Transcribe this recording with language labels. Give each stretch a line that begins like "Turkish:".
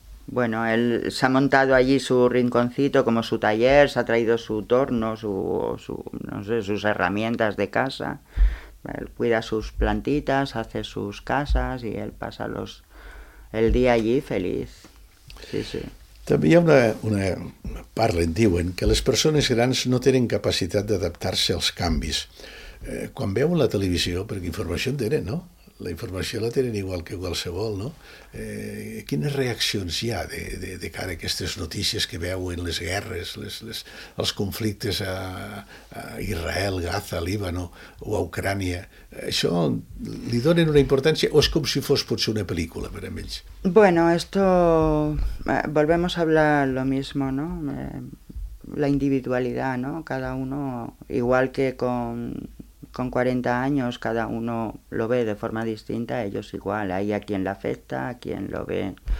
Spanish: Bueno, él se ha montado allí su rinconcito, como su taller, se ha traído su torno, sus herramientas de casa. Él cuida sus plantitas, hace sus casas y él pasa el día allí feliz. Sí, sí.
Catalan: També hi ha una parla, en diuen, que les persones grans no tenen capacitat d'adaptar-se als canvis. Quan veuen la televisió, perquè informació en tenen, no? La informació la tenen igual que qualsevol, no? Quines reaccions hi ha de cara a aquestes notícies que veuen, les guerres, els conflictes a Israel, Gaza, Líbano o a Ucrània? Això li donen una importància o és com si fos potser una pel·lícula per a ells?
Spanish: Bueno, esto... Volvemos a hablar lo mismo, ¿no? La individualidad, ¿no? Cada uno, igual que con 40 años, cada uno lo ve de forma distinta, ellos igual, hay a quien le afecta, a quien lo ve.